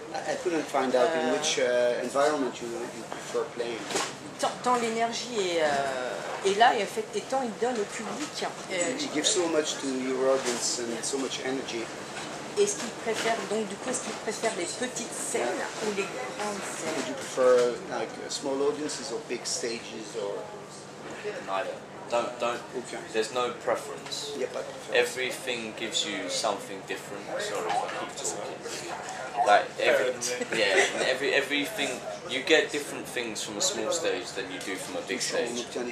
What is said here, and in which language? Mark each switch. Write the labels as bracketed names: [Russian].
[English] I couldn't find out in which environment you prefer playing. [French] Tant l'énergie est là et en fait et tant il donne au public. [English] He gives so much to your audience and so much energy. [French] Est-ce qu'il préfère donc du coup est-ce qu'il préfère les petites scènes ou les grandes scènes? [English] Would you prefer like small audiences or big stages or neither? Don't. Okay. There's no preference. Yeah, but preference. Everything gives you something different. Sorry, if I keep talking. Like everything you get different things from a small stage than you do from a big stage.